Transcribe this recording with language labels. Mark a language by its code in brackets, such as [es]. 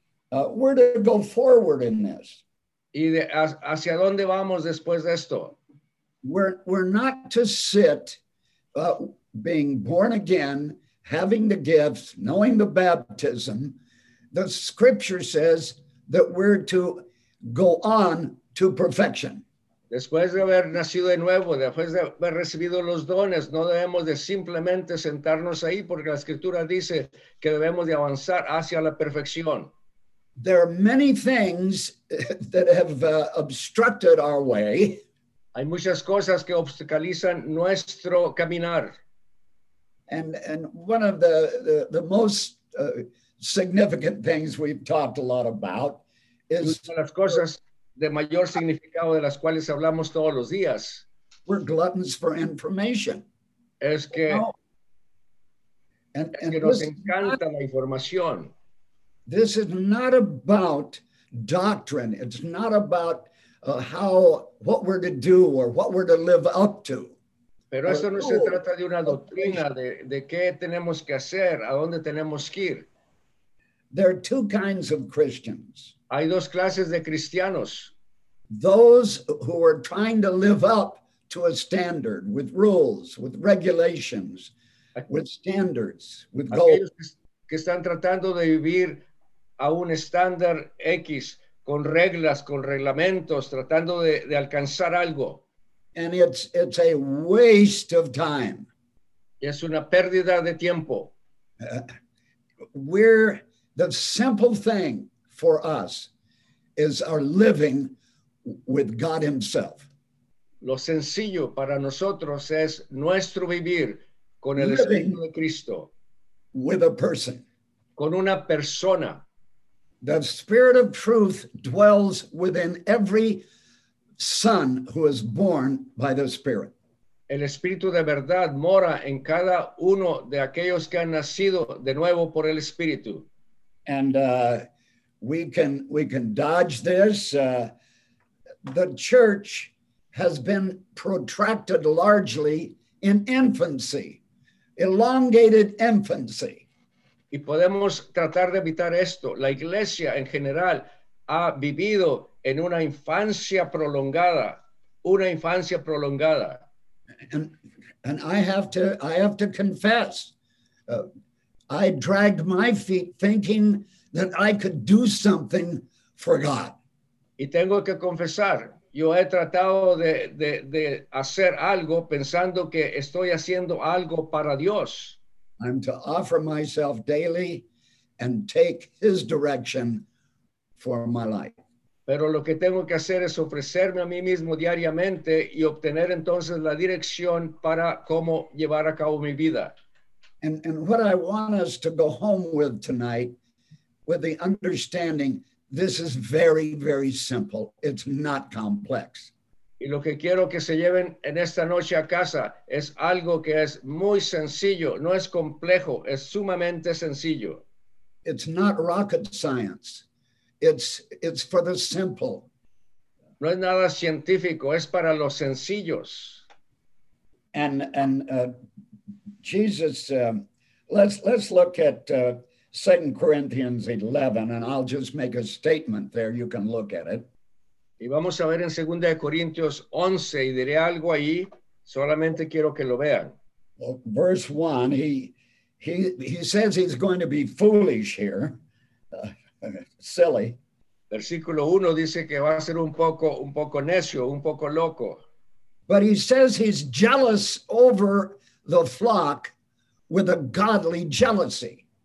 [en] Where to go forward in this? [es] ¿Y hacia dónde vamos después de esto? [en] We're not to sit being born again, having the gifts, knowing the baptism. The scripture says that we're to go on to perfection. [es] Después de haber nacido de nuevo, después de haber recibido los dones, no debemos de simplemente sentarnos ahí, porque la escritura dice que debemos de avanzar hacia la perfección. [en] There are many things that have obstructed our way. [es] Hay muchas cosas que obstaculizan nuestro caminar. [en] And one of the most significant things we've talked a lot about is [es] las cosas de mayor significado de las cuales hablamos todos los días. [en] We're gluttons for information. [es] Es que, es que nos encanta la información. [en] This is not about doctrine. It's not about what we're to do or what we're to live up to. [es] Pero esto no se trata de una doctrina de qué tenemos que hacer, a dónde tenemos que ir. [en] There are two kinds of Christians. [es] Hay dos clases de cristianos. [en] Those who are trying to live up to a standard with rules, with regulations, with standards, with goals. [es] Que están tratando de vivir a un estándar X, con reglas, con reglamentos, tratando de alcanzar algo. [en] And it's a waste of time. [es] Es una pérdida de tiempo. [en] we're the simple thing for us is our living with God Himself. [es] Lo sencillo para nosotros es nuestro vivir con el Espíritu de Cristo. [en] With a person. [es] Con una persona. [en] The Spirit of Truth dwells within every son who is born by the Spirit. [es] El Espíritu de verdad mora en cada uno de aquellos que han nacido de nuevo por el Espíritu. [en] And we can dodge this. The church has been protracted largely in infancy, elongated infancy. [es] Y podemos tratar de evitar esto. La iglesia en general ha vivido en una infancia prolongada, una infancia prolongada. [en] And I have to confess, I dragged my feet thinking that I could do something for God. [es] Y tengo que confesar, yo he tratado de hacer algo pensando que estoy haciendo algo para Dios. [en] I'm to offer myself daily and take His direction for my life. [es] Pero lo que tengo que hacer es ofrecerme a mí mismo diariamente y obtener entonces la dirección para cómo llevar a cabo mi vida. [en] And what I want us to go home with tonight, with the understanding, this is very, very simple. It's not complex. [es] Y lo que quiero que se lleven en esta noche a casa es algo que es muy sencillo, no es complejo, es sumamente sencillo. [en] It's not rocket science. It's for the simple. [es] No es nada científico, es para los sencillos. [en] And Jesus, let's look at 2 Corinthians 11, and I'll just make a statement there. You can look at it. [es] Y vamos a ver en 2 Corintios 11, y diré algo ahí, solamente quiero que lo vean. [en] Verse 1, he says he's going to be foolish here, silly. [es] Versículo 1 dice que va a ser un poco necio, un poco loco. [en] But he says he's jealous over the flock with a godly jealousy.